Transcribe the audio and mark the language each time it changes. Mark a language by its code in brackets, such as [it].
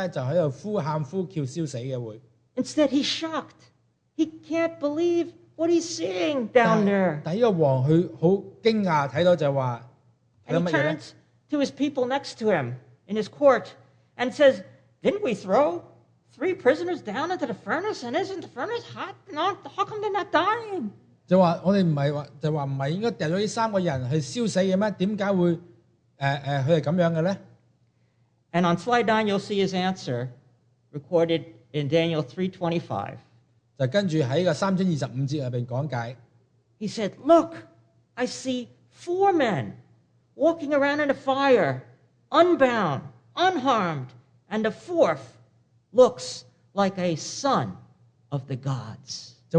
[zh] 就说这个王就想着这个火炉这么热，就看着他们三个应该就在呼喊呼叫烧死的会。 [en] Instead, he's shocked. He can't believe what he's seeing down there. [zh] 但这个王他很惊讶，看到就说， [en] And he turns to his people next to him in his court and says, Didn't we throw three prisoners down into the furnace? And isn't the furnace hot? How come they're not dying? [zh] 就说我们不是应该丢了这三个人去烧死的吗？为什么会他们这样的呢？ [en] And on slide 9, you'll see his answer recorded in Daniel 3:25. [zh] 就跟着在这个3章25节里面讲解。 [en] He said, Look, I see four men walking around in a fire, unbound, unharmed, and the fourth looks like a son of the gods.